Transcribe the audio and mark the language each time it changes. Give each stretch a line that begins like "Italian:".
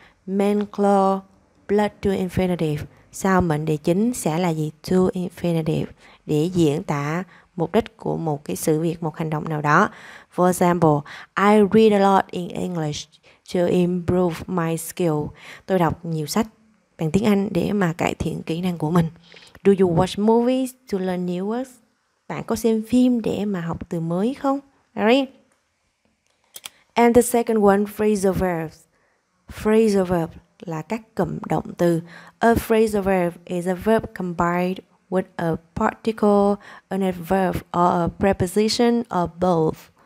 English: Main clause, plus to infinitive.
Vietnamese: Sau mệnh đề chính sẽ là gì?
English: To infinitive.
Vietnamese: Để diễn tả mục đích của một cái sự việc, một hành động nào đó.
English: For example, I read a lot in English to improve my skill.
Vietnamese: Tôi đọc nhiều sách bằng tiếng Anh để mà cải thiện kỹ năng của mình.
English: Do you watch movies to learn new words?
Vietnamese: Bạn có xem phim để mà học từ mới không? Alright.
English: And the second one, phrasal verbs.
Vietnamese: Phrasal verb là các cụm động từ.
English: A phrasal verb is a verb combined with a particle, an adverb, or a preposition, or both.